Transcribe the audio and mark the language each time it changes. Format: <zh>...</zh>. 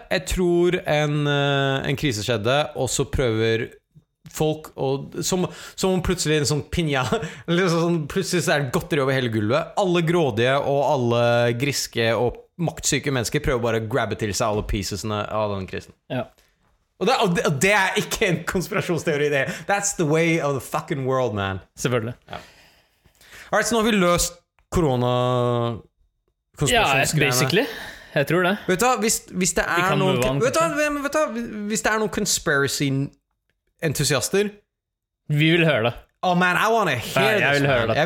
<no>Jeg tror en krise skjedde, og så prøver folk, og som om plutselig en sånn pinja, liksom sånn, plutselig så er det godteri over hele gulvet. Alle grådige og alle griske og maktsyke mennesker prøver bare å grabbe til seg alle piecesene av den krisen. Ja. Og det er ikke en konspirasjonsteori, det.</no> <en>That's the way of the fucking world, man.</en> <no>Selvfølgelig. Ja. Alright, så nå har vi løst korona konspirasjonsgreiene. Ja, basically. Jeg tror det. Vet du, hvis det er noen hvis det er noen conspiracy entusiaster, vi vil høre det.</no> <en>Oh man, I want to hear</en> <no>det. Jeg vil høre det.</no>